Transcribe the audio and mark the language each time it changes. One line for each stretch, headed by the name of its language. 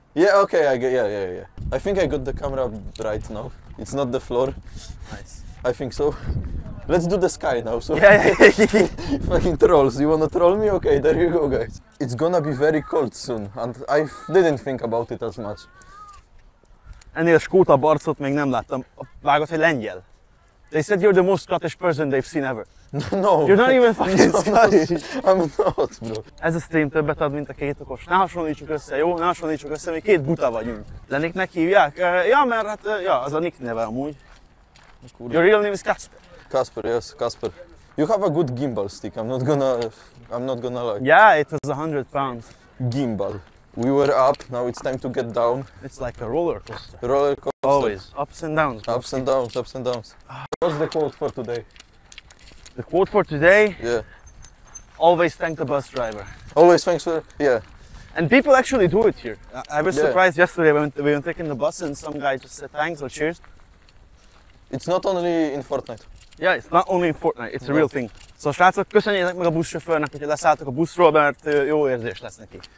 English: Yeah, okay, yeah. I think I got the camera right now. It's not the floor. Nice. I think so. Let's do the sky now. So yeah. Fucking trolls. You wanna troll me? Okay, there you go, guys. It's gonna be very cold soon, and I didn't think about it as much.
Hungarian: Ennél skóta barcot még nem láttam. Vágod, hogy lengyel.
English: They said you're the most Scottish person they've seen ever. No. You're not even fucking Scottish. I'm not, bro.
Hungarian: Ez a stream többet ad, mint a két okos. Ne hasonlítsuk össze, jó? Ne hasonlítsuk össze, mi két buta vagyunk. Leniknek hívják? Ja, az a nick neve amúgy.
English: Your real name is Kasper. Kasper, yes, Kasper. You have a good gimbal stick, I'm not gonna lie. Yeah, it was 100 pounds. Gimbal. We were up, now it's time to get down. It's like a roller coaster. Roller coaster. Always. Ups and downs. Mostly. Ups and downs, ups and downs. What's the quote for today? The quote for today? Yeah. Always thank the bus driver. Always thanks for, yeah. And people actually do it here. I was surprised yesterday when we were taking the bus and some guy just said thanks or cheers. It's not only in Fortnite. Yeah, it's not only in Fortnite, it's a real thing.
Hungarian: So, srácok, köszönjétek meg a buszsofőrnek, hogy leszálltok a buszról, mert jó érzés lesz neki.